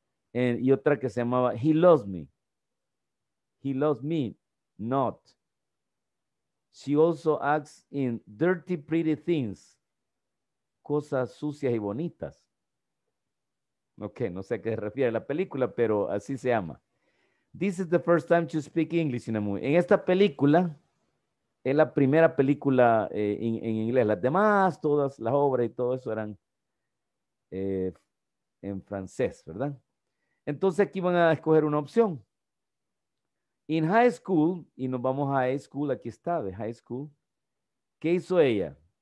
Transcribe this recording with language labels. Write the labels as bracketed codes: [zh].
[es] Y otra que se llamaba He Loves Me. He Loves Me, Not. [en] She also acts in Dirty Pretty Things. [es] Cosas sucias y bonitas. Ok, no sé a qué se refiere la película, pero así se llama. [en] This is the first time to speak English in a movie. [es] En esta película, es la primera película en inglés. Las demás, todas las obras y todo eso eran en francés, ¿verdad? Entonces aquí van a escoger una opción. In high school, y nos vamos a high school, aquí está, de high school. ¿Qué hizo ella?